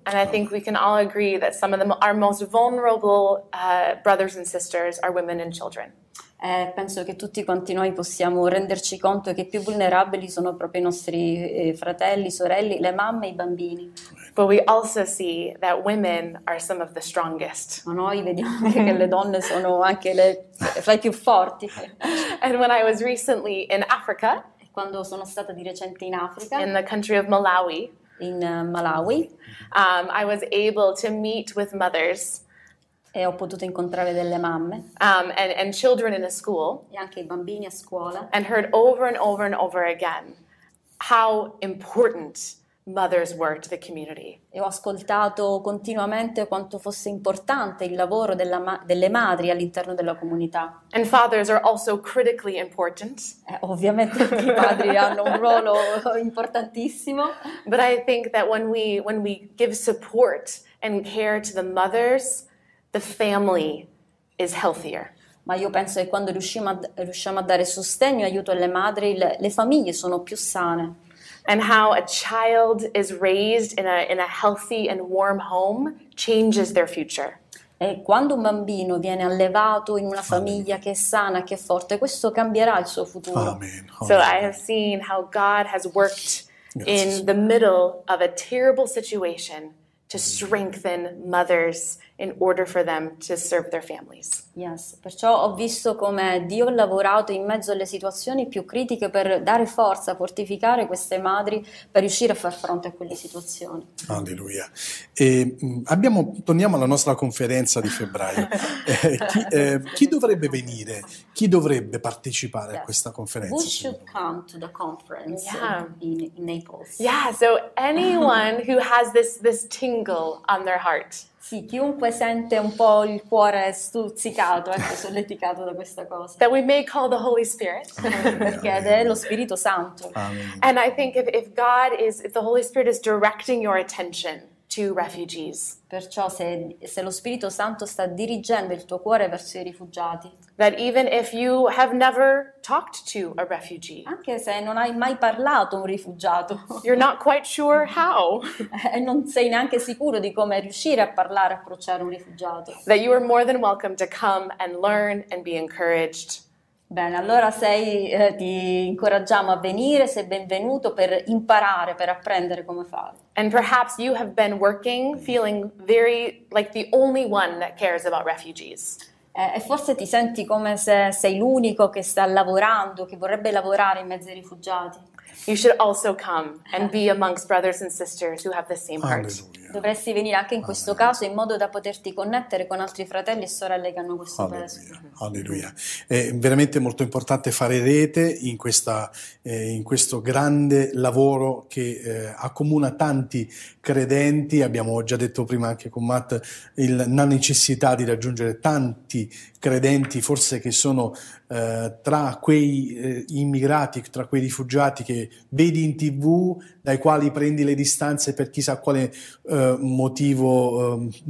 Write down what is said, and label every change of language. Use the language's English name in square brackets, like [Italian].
[English] And I think we can all agree that some of our most vulnerable brothers and sisters are women and children. [Italian] Penso che tutti quanti noi possiamo renderci conto che i più vulnerabili sono proprio i nostri fratelli, sorelle, le mamme e i bambini. [English] But we also see that women are some of the strongest. [Italian] Ma noi vediamo che le donne sono anche le fra i più forti. [English] And when I was recently in Africa, [Italian] quando sono stata di recente in Africa, [English] in the country of Malawi, [Italian] in Malawi, [English] I was able to meet with mothers. [Italian] E ho potuto incontrare delle mamme. [English] And children in a school. [Italian] E anche i bambini a scuola. [English] And heard over and over and over again how important mothers were to the community. [Italian] E ho ascoltato continuamente quanto fosse importante il lavoro delle madri all'interno della comunità. [English] And fathers are also critically important. [Italian] Ovviamente i padri hanno un ruolo importantissimo. [English] But I think that when we give support and care to the mothers, the family is healthier. [Italian] Ma io penso che quando riusciamo a dare sostegno e aiuto alle madri, le famiglie sono più sane. [English] And how a child is raised in a healthy and warm home changes their future. [Italian] E quando un bambino viene allevato in una famiglia che è sana, che è forte, questo cambierà il suo futuro. [English] Amen. So I have seen how God has worked in the middle of a terrible situation to strengthen mothers in order for them to serve their families. Yes, [Italian] perciò ho visto come Dio ha lavorato in mezzo alle situazioni più critiche per dare forza, fortificare queste madri per riuscire a far fronte a quelle situazioni. Alleluia. E torniamo alla nostra conferenza di febbraio. chi dovrebbe venire? Chi dovrebbe partecipare a questa conferenza? [English] Who should come to the conference in Naples? Yeah, so anyone who has this tingle on their heart. [Italian] Sì, chiunque sente un po' il cuore stuzzicato, solleticato da questa cosa. [English] That we may call the Holy Spirit. [Italian] Perché è lo Spirito Santo. [English] Amen. And I think if the Holy Spirit is directing your attention to refugees. [Italian] Perciò se lo Spirito Santo sta dirigendo il tuo cuore verso i rifugiati. [English] That even if you have never talked to a refugee. [Italian] Anche se non hai mai parlato a un rifugiato. [English] You're not quite sure how. [Italian] E non sei neanche sicuro di come riuscire a parlare, approcciare un rifugiato. [English] That you are more than welcome to come and learn and be encouraged. [Italian] Bene, allora ti incoraggiamo a venire, sei benvenuto per imparare, per apprendere come fare. [English] And perhaps you have been working, feeling very like the only one that cares about refugees. [Italian] E forse ti senti come se sei l'unico che sta lavorando, che vorrebbe lavorare in mezzo ai rifugiati. [English] You should also come and be amongst brothers and sisters who have the same heart. [Italian] Alleluia. Dovresti venire anche in questo Alleluia. Caso in modo da poterti connettere con altri fratelli e sorelle che hanno questo Alleluia. Peso. Alleluia. È veramente molto importante fare rete in questo grande lavoro che accomuna tanti credenti. Abbiamo già detto prima anche con Matt la necessità di raggiungere tanti credenti, forse che sono tra quei immigrati, tra quei rifugiati che vedi in TV, dai quali prendi le distanze per chissà quale motivo,